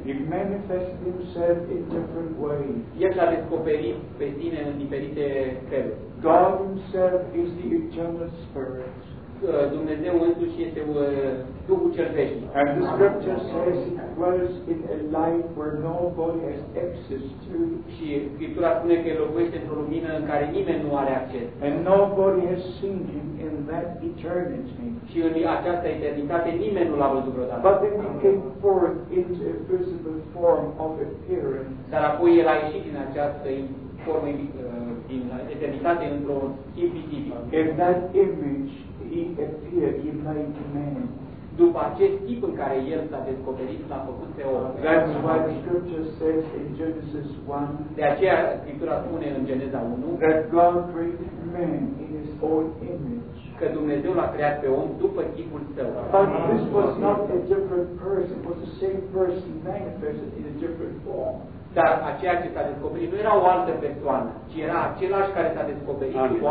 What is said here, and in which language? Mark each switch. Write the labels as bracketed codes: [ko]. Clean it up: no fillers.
[en] He manifested himself in different ways. [ro] El s-a descoperit pe Sine în diferite feluri. [en] God himself is the eternal spirit. [ro] Dumnezeu însuși este Duhul cel veșnic. [en] And the scripture says it dwells in a light where nobody has access to. [ro] Și Scriptura spune că locuiește într-o lumină în care nimeni nu are acces. [en] And nobody has seen him in that eternity. [ro] Și în această eternitate nimeni nu l-a văzut vreodată. [en] But then he came forth into a visible form of appearance. [ro] Dar apoi el a ieșit din această formă din eternitate într-o chip visibil. [en] In that image He appeared, He made man. [ro] După acest tip în care El s-a descoperit, l-a făcut pe om. [en] That's why the scripture says in Genesis 1. [ro] De aceea Scriptura spune în Geneza 1. [en] That God created man in His own image. [ro] Că Dumnezeu l-a creat pe om după chipul său. [en] But this was not a different person. It was the same person manifested in a different form. [ro] Dar aceea ce s-a descoperit nu era o altă persoană, ci era același care s-a descoperit cu